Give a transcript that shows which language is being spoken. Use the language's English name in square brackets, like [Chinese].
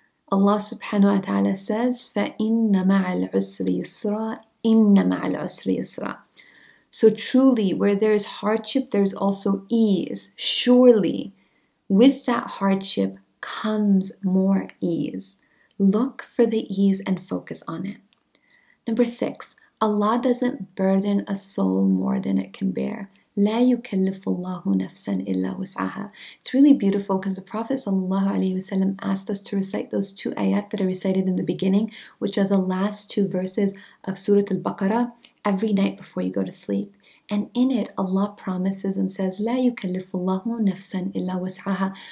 [English] Allah subhanahu wa ta'ala says, [Arabic] فَإِنَّ مَعَ الْعُسْرِ يُسْرًا إِنَّ مَعَ الْعُسْرِ يُسْرًا. [English] So truly, where there is hardship, there's also ease. Surely, with that hardship comes more ease. Look for the ease and focus on it. Number six, Allah doesn't burden a soul more than it can bear. [Arabic] لا يكلف الله نفسا إلا وسعها. [English] It's really beautiful because the Prophet ﷺ asked us to recite those two ayat that I recited in the beginning, which are the last two verses of Surah Al-Baqarah, every night before you go to sleep. And in it, Allah promises and says, [Arabic] لا يكلف الله نفسا إلا وسعها.